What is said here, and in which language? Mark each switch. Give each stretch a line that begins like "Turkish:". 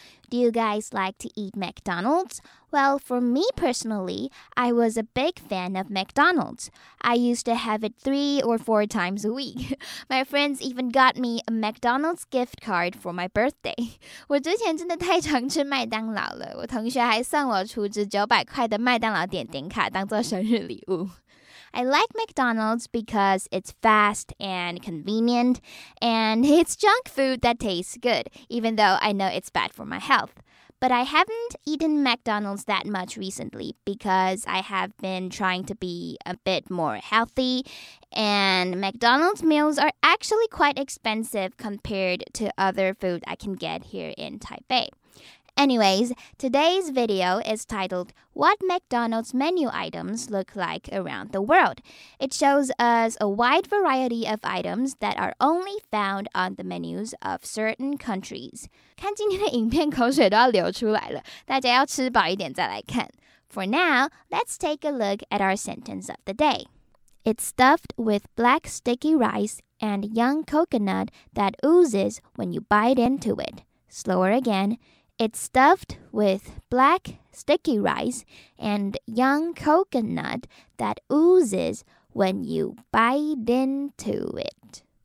English: Do you guys like to eat McDonald's? Well, for me personally, I was a big fan of McDonald's. I used to have it 3 or 4 times a week. My friends even got me a McDonald's gift card for my birthday.
Chinese: 我之前真的太常吃麦当劳了，我同学还送我出值900块的麦当劳点点卡当作生日礼物。
English: I like McDonald's because it's fast and convenient, and it's junk food that tastes good, even though I know it's bad for my health. But I haven't eaten McDonald's that much recently because I have been trying to be a bit more healthy, and McDonald's meals are actually quite expensive compared to other food I can get here in Taipei. Anyways, today's video is titled What McDonald's Menu Items Look Like Around the World. It shows us a wide variety of items that are only found on the menus of certain countries.
Chinese: 看今天的影片口水都要流出来了，大家要吃饱一点再来看。
English: For now, let's take a look at our sentence of the day. It's stuffed with black sticky rice and young coconut that oozes when you bite into it. Slower again. It's stuffed with black sticky rice and young coconut that oozes when you bite into it.